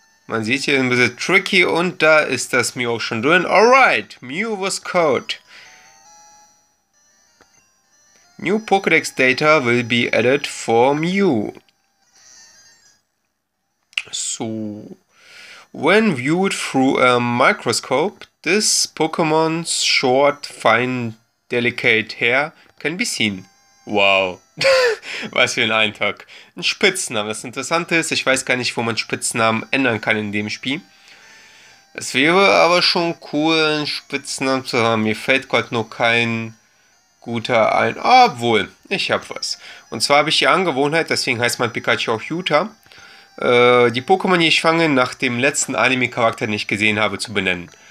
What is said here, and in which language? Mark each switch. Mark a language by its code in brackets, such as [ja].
[de] Man sieht hier ein bisschen tricky und da ist das Mew auch schon drin. [en] Alright, Mew was caught. New Pokédex Data will be added for Mew. So. When viewed through a microscope, this Pokémon's short, fine, delicate hair can be seen. [de] Wow. Was für ein Eintrag. Ein Spitznamen. Das Interessante ist, ich weiß gar nicht, wo man Spitznamen ändern kann in dem Spiel. Es wäre aber schon cool, einen Spitznamen zu haben. Mir fällt gerade nur kein guter ein. Obwohl, ich habe was. Und zwar habe ich die Angewohnheit, deswegen heißt mein Pikachu auch Yuta, die Pokémon, die ich fange, nach dem letzten Anime-Charakter, den ich gesehen habe, zu benennen.